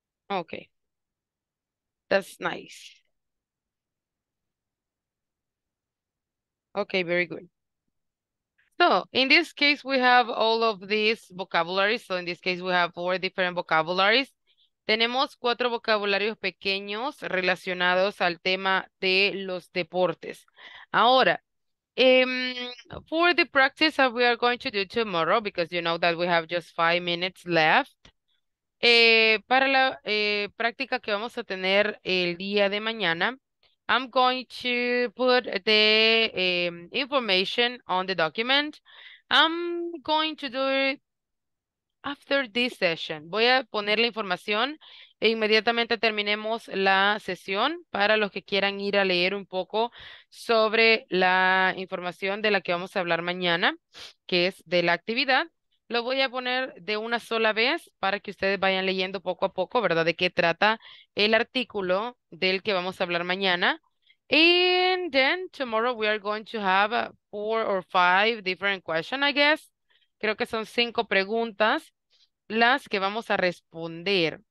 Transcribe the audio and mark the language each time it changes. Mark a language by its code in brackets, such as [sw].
[en] Okay. That's nice. Okay, very good. So in this case, we have all of these vocabularies. So in this case, we have four different vocabularies. [es] Tenemos cuatro vocabularios pequeños relacionados al tema de los deportes. [en] Ahora, for the practice that we are going to do tomorrow, because you know that we have just 5 minutes left, [es] para la práctica que vamos a tener el día de mañana, [en] I'm going to put the information on the document. I'm going to do it after this session. [es] Voy a poner la información e inmediatamente terminemos la sesión para los que quieran ir a leer un poco sobre la información de la que vamos a hablar mañana, que es de la actividad. Lo voy a poner de una sola vez para que ustedes vayan leyendo poco a poco, ¿verdad? De qué trata el artículo del que vamos a hablar mañana. [en] And then tomorrow we are going to have 4 or 5 different questions, I guess. [es] Creo que son 5 preguntas las que vamos a responder.